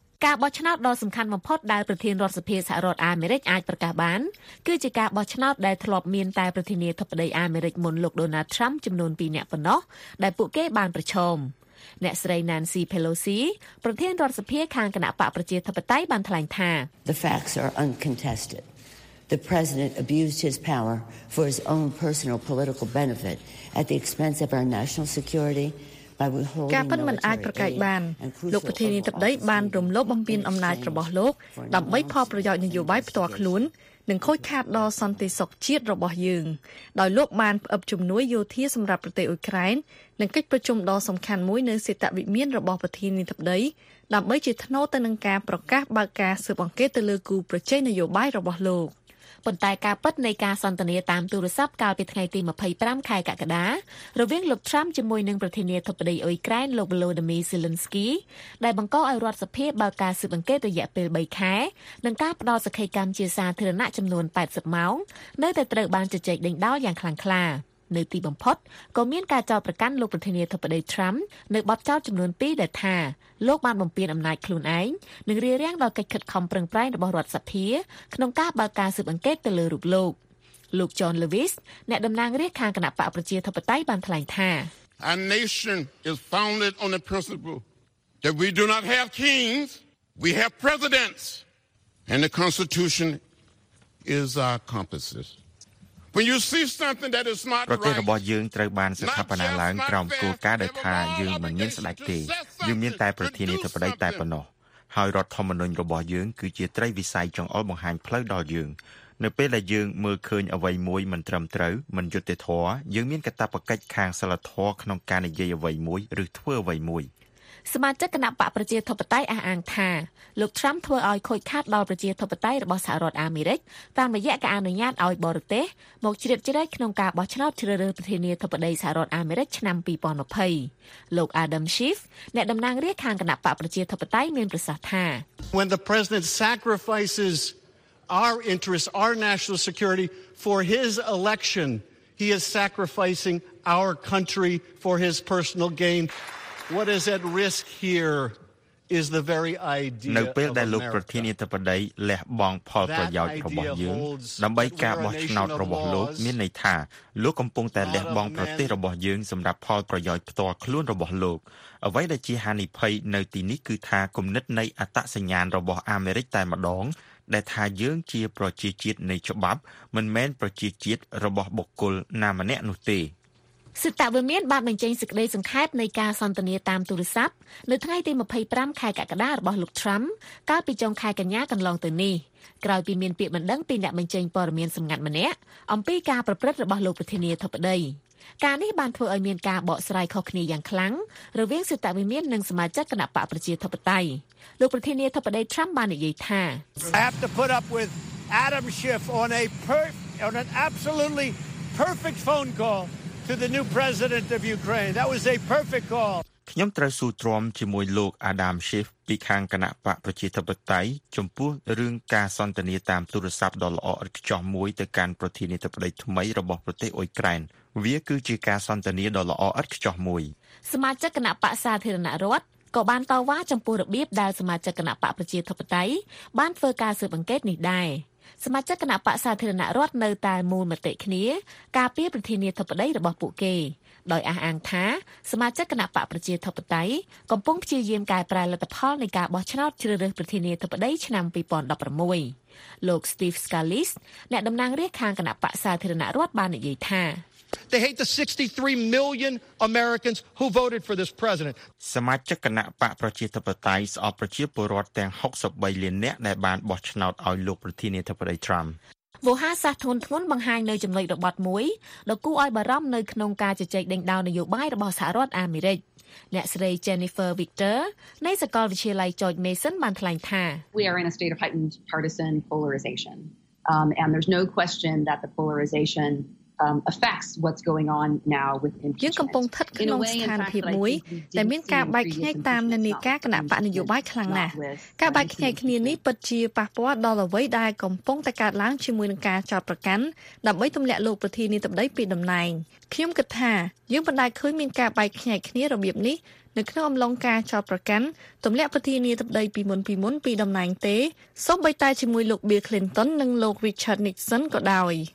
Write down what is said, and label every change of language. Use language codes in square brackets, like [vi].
[km] ការបោះឆ្នោតដ៏សំខាន់បំផុតដែលប្រធានរដ្ឋសភាសហរដ្ឋអាមេរិកអាចប្រកាសបានគឺជាការបោះឆ្នោតដែលធ្លាប់មានតែប្រធានាធិបតីអាមេរិកមុនលោក Donald Trump ចំនួន2នាក់ប៉ុណ្ណោះដែលពួកគេបានប្រឈមអ្នកស្រី Nancy Pelosi ប្រធានរដ្ឋសភាខាងគណៈបកប្រជាធិបតេយ្យបានថ្លែងថា [en] The facts are uncontested. The president abused his power for his own personal political benefit at the expense of our national security. [km] ការពិតមិនអាចប្រកែកបានលោកប្រធានាធិបតីបានរំលោភបំពានអំណាចរបស់លោកដើម្បីផលប្រយោជន៍នយោបាយផ្ទាល់ខ្លួននិងខូចខាតដល់សន្តិសុខជាតិរបស់យើងដោយលោកបានផ្អឹបជំនួយយោធាសម្រាប់ប្រទេសអ៊ុយក្រែននិងកិច្ចប្រជុំដ៏សំខាន់មួយនៅសេតវិមានរបស់ប្រធានាធិបតីដើម្បីជាថ្នូរទៅនឹងការប្រកាសបើកការស៊ើបអង្កេតទៅលើគូប្រជែងនយោបាយរបស់លោក ប៉ុន្តែការពិតនៃការសន្ទនាតាមទូរស័ព្ទកាលពីថ្ងៃទី25ខែកក្កដារវាងលោក Trump ជាមួយនឹងប្រធានាធិបតីអ៊ុយក្រែនលោក Volodymyr Zelensky ដែលបង្កឲ្យរដ្ឋសភាបើកការស៊ើបអង្កេតរយៈពេល3ខែនិងការផ្ដល់សេចក្តីកម្មជាសាធារណៈចំនួន80ម៉ោងនៅតែត្រូវបានជជែកដេញដោលយ៉ាងខ្លាំងក្លា នៅទីបំផុតក៏មានការចោទប្រកាន់លោកប្រធានាធិបតី Trump នៅបទចោទចំនួន2ដែលថាលោកបានបំពានអំណាចខ្លួនឯងនិងរារាំងដល់កិច្ចខិតខំប្រឹងប្រែងរបស់រដ្ឋសភាក្នុងការបើកការស៊ើបអង្កេតទៅលើរូបលោកលោក John Lewis អ្នកតំណាងរាស្ត្រខាងគណៈបកប្រជាធិបតេយ្យបានថ្លែងថា [en] A nation is founded on the principle that we do not have kings we have presidents and the constitution is our compass When you see something that is not right, [km] របស់យើងត្រូវបានស្ថាបនាឡើងក្រោមគោលការណ៍ដែលថាយើងមិនមានស្ដេចទេយើងមានតែប្រធានាធិបតីតែប៉ុណ្ណោះហើយរដ្ឋធម្មនុញ្ញរបស់យើងគឺជាត្រីវិស័យចង្អុលបង្ហាញផ្លូវដល់យើងនៅពេលដែលយើងមើលឃើញអ្វីមួយមិនត្រឹមត្រូវមិនយុត្តិធម៌យើងមានកាតព្វកិច្ចខាងសីលធម៌ក្នុងការនិយាយអ្វីមួយឬធ្វើអ្វីមួយ សមាជិកគណៈបកប្រជាធិបតេយ្យអះអាងថាលោក Trump ធ្វើឲ្យខូចខាតដល់ប្រជាធិបតេយ្យរបស់សហរដ្ឋអាមេរិកតាមរយៈការអនុញ្ញាតឲ្យបរទេសមកជ្រៀតជ្រែកក្នុងការបោះឆ្នោតជ្រើសរើសប្រធានាធិបតីសហរដ្ឋអាមេរិកឆ្នាំ2020លោក Adam Schiff អ្នកតំណាងរាស្ត្រខាងគណៈបកប្រជាធិបតេយ្យមានប្រសាសន៍ថា [en] When the president sacrifices our interests our national security for his election he is sacrificing our country for his personal gain What is at risk here is the very idea [km] នៅពេលដែលលោកប្រធានាធិបតីលះបង់ផលប្រយោជន៍របស់យើងដើម្បីការបោះឆ្នោតរបស់លោកមានន័យថាលោកកំពុងតែលះបង់ប្រទេសរបស់យើងសម្រាប់ផលប្រយោជន៍ផ្ទាល់ខ្លួនរបស់លោកអ្វីដែលជាហានិភ័យនៅទីនេះគឺថាគំនិតនៃអត្តសញ្ញាណរបស់អាមេរិកតែម្ដងដែលថាយើងជាប្រជាជាតិនៃច្បាប់មិនមែនប្រជាជាតិរបស់បុគ្គលណាម្នាក់នោះទេ សិតវិមានបានបញ្ចេញសេចក្តីសង្ខេបនៃការសន្ទនាតាមទូរស័ព្ទនៅថ្ងៃទី25ខែកក្កដារបស់លោកត្រាំកាលពីចុងខែកញ្ញាកន្លងទៅនេះក្រោយពីមានពាក្យបណ្ដឹងពីអ្នកបញ្ចេញព័ត៌មានសម្ងាត់ម្នាក់អំពីការប្រព្រឹត្តរបស់លោកប្រធានាធិបតីការនេះបានធ្វើឲ្យមានការបកស្រាយខុសគ្នាយ៉ាងខ្លាំងរវាងសិតវិមាននិងសមាជិកគណៈបកប្រជាធិបតេយ្យលោកប្រធានាធិបតីត្រាំបាននិយាយថា [en] I have to put up with Adam Schiff on a on an absolutely perfect phone call. To the new president of Ukraine. That was a perfect call. [km] ខ្ញុំត្រូវស៊ូទ្រាំជាមួយលោក Adam Schiff ពីខាងគណៈបកប្រជាធិបតេយ្យចំពោះរឿងការសន្ទនាតាមទូរស័ព្ទដ៏ល្អឥតខ្ចោះមួយទៅកាន់ប្រធានាធិបតីថ្មីរបស់ប្រទេសអ៊ុយក្រែនវាគឺជាការសន្ទនាដ៏ល្អឥតខ្ចោះមួយ សមាជិកគណៈបកសាធារណរដ្ឋក៏បានតវ៉ាចំពោះរបៀបដែលសមាជិកគណៈបកប្រជាធិបតេយ្យបានធ្វើការស៊ើបអង្កេតនេះដែរសមាជិកគណៈបក្សសាធារណរដ្ឋនៅតែមូលមតិគ្នាការពីប្រធានាធិបតីរបស់ពួកគេដោយអះអាងថាសមាជិកគណៈបក្សប្រជាធិបតេយ្យកំពុងព្យាយាមកែប្រែលទ្ធផលនៃការបោះឆ្នោតជ្រើសរើសប្រធានាធិបតីឆ្នាំ2016លោក Steve Scalise អ្នកតំណាងរាស្ត្រខាងគណៈបក្សសាធារណរដ្ឋបាននិយាយថា [en] They hate the 63 million Americans who voted for this president. [km] សមាជិកគណៈបកប្រជាធិបតេយ្យស្អប់ប្រជាពលរដ្ឋទាំង63លាននាក់ដែលបានបោះឆ្នោតឲ្យលោកប្រធានាធិបតីត្រាំ វោហាសាសធនធ្ងន់បង្ហាញនៅចំណុចរបត់មួយដល់គូឲ្យបារម្ភនៅក្នុងការជជែកដេញដោលនយោបាយរបស់សហរដ្ឋអាមេរិកអ្នកស្រី Jennifer Victor នៃសាកលវិទ្យាល័យ George Mason បានថ្លែងថា [en] We are in a state of heightened partisan polarization. And there's no question that the polarizationaffects what's going on now with impeachment. [km] យើងកំពុងស្ថិតក្នុងស្ថានភាពមួយដែលមានការបែកខ្ញែកតាមនានាការគណៈបកនយោបាយខ្លាំងណាស់ការបែកខ្ញែកគ្នានេះពិតជាប៉ះពាល់ដល់អ្វីដែលកំពុងតែកើតឡើងជាមួយនឹងការចោទប្រកាន់ដើម្បីទម្លាក់លោកប្រធានាធិបតីពីតំណែងខ្ញុំគិតថាយើងមិនដែលឃើញមានការបែកខ្ញែកគ្នារបៀបនេះនៅក្នុងអំឡុងការចោទប្រកាន់ទម្លាក់ប្រធានាធិបតីពីមុនពីតំណែងទេសូម្បីតែជាមួយលោក Bill Clinton និងលោក Richard Nixon ក៏ដោយ